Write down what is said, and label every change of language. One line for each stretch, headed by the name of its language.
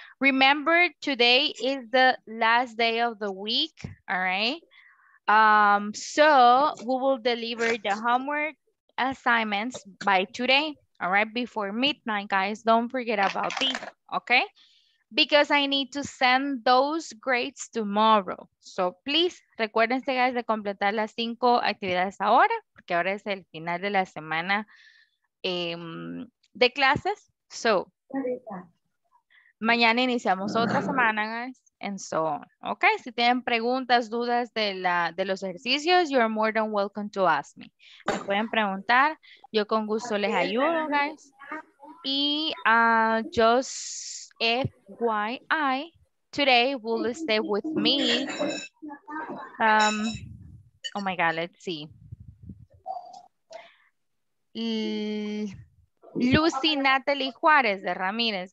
English: Remember, today is the last day of the week, all right? So we will deliver the homework assignments by today, all right, before midnight, guys. Don't forget about this, okay? Because I need to send those grades tomorrow. So please,
Spanish: recuérdense,
English: guys,
Spanish: de completar las 5 actividades ahora, porque ahora es el final de la semana de clases.
English: So,
Spanish: mañana iniciamos otra semana,
English: guys, and so on. Okay,
Spanish: si tienen preguntas, dudas de, de los ejercicios,
English: you're more than welcome to ask me.
Spanish: Me pueden preguntar, yo con gusto les ayudo,
English: guys.
Spanish: Y
English: just FYI, today will stay with me. Oh my God, let's see. Lucy Natalie Juarez de Ramirez.